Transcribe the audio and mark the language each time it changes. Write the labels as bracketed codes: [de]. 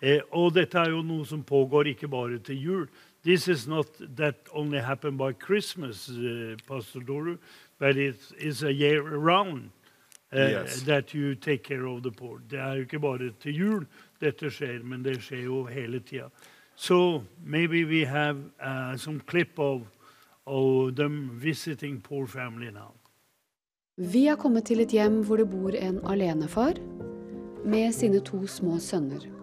[sv] Och detta är ju något som pågår inte bara till jul. [en] This is not that only happen by Christmas, Pastor Doru, but it is a year round that you take care of the poor. [sv] Det är ju inte bara till jul detta sker, men det sker ju hela tiden. [en] So maybe we have some clip of them visiting poor family now. [sv] Vi har kommit till ett hem där det bor en alenefar med sina två små söner.